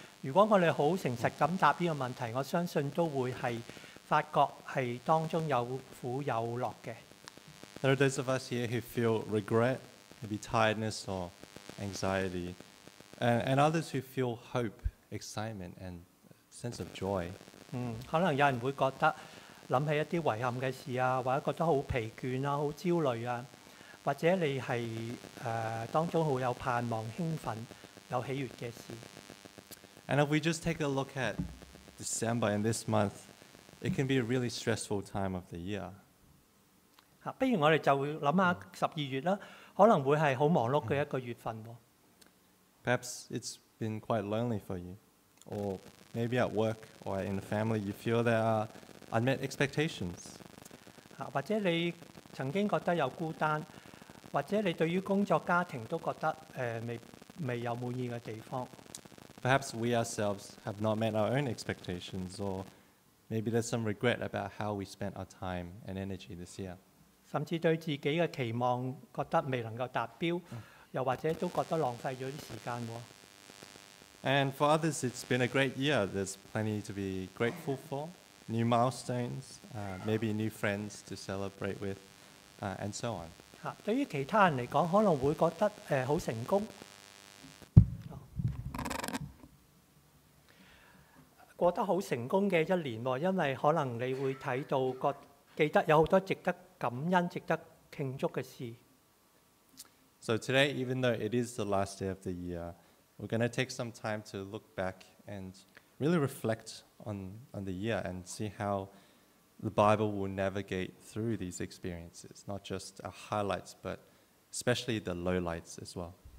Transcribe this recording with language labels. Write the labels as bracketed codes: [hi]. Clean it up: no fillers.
[yue] 如果我哋好誠實咁答呢個問題，我相信都會係發覺係當中有苦有樂嘅。 [en] There are those of us here who feel regret, maybe tiredness or anxiety, and others who feel hope, excitement, and sense of joy. [yue] 可能有人會覺得諗起一啲遺憾嘅事啊，或者覺得好疲倦啊，好焦慮啊，或者你係當中好有盼望、興奮、有喜悅嘅事。 [en] And if we just take a look at December in this month, it can be a really stressful time of the year. [yue] 不如我哋就諗下十二月啦，可能會係好忙碌嘅一個月份喎。 [en] Perhaps it's been quite lonely for you, or maybe at work or in the family, you feel there are unmet expectations. [yue] 或者你曾經覺得有孤單，或者你對於工作家庭都覺得未有滿意嘅地方。 [en] Perhaps we ourselves have not met our own expectations, or maybe there's some regret about how we spent our time and energy this year. [yue] 甚至對自己嘅期望覺得未能夠達標，又或者都覺得浪費咗啲時間。 [en] And for others, it's been a great year. There's plenty to be grateful for. New milestones, maybe new friends to celebrate with, and so on. [yue] 對於其他人來講，可能會覺得好成功，過得好成功的一年，因為可能你會睇到記得有很多值得感恩、值得慶祝的事。 [en] So today, even though it is the last day of the year,We're going to take some time to look back and really reflect on the year and see how the Bible will navigate through these experiences, not just our highlights, but especially the lowlights as well.